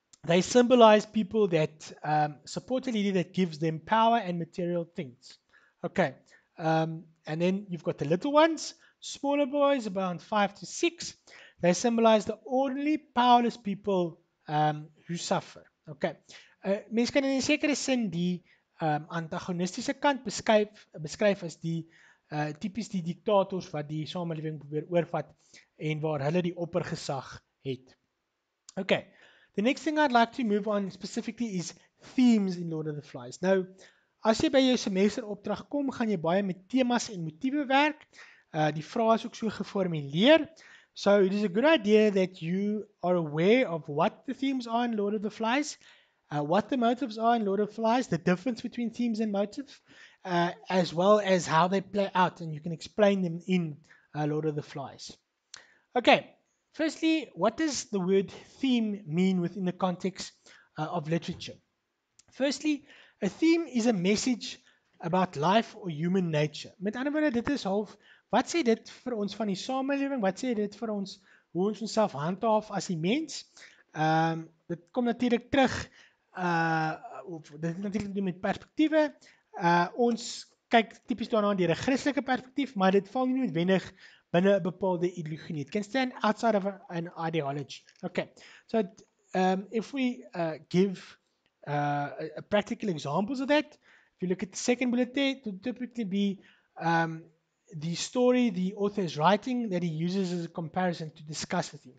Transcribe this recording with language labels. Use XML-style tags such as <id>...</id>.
<en>They symbolize people that support a leader that gives them power and material things. Okay. And then you've got the little ones, smaller boys, about 5 to 6. They symbolize the ordinary, powerless people who suffer. Okay.</en> <af>Mens kan in 'n sekere sin die antagonistiese kant beskryf as die typies die diktators wat die samelewing probeer oorvat en waar hulle die oppergesag het.</af> <en>Okay. The next thing I'd like to move on specifically is themes in Lord of the Flies.</en> <af>Now, as jy by jou semesteropdrag kom, gaan jy baie met temas en motiewe werk. Die vrae is ook so geformuleer.</af> <en>So it is a good idea that you are aware of what the themes are in Lord of the Flies, what the motives are in Lord of the Flies, the difference between themes and motives, as well as how they play out, and you can explain them in Lord of the Flies. Okay, firstly, what does the word theme mean within the context of literature? Firstly, a theme is a message about life or human nature.</en> <af>Met ander woorde, dit is half, wat sê dit vir ons van die samelewing? Wat sê dit vir ons, hoe ons onsself handhaaf as die mens? dit kom natuurlik terug of dit het natuurlik te doen met perspektiewe. Ons kyk tipies daarna deur 'n Christelike perspektief, maar dit val nie noodwendig binne 'n bepaalde ideologie nie.</af> <en>It can stand outside of an ideology. Okay. So if we give a practical examples of that, if you look at the second bullet there, it would typically be the story the author is writing that he uses as a comparison to discuss the theme.</en>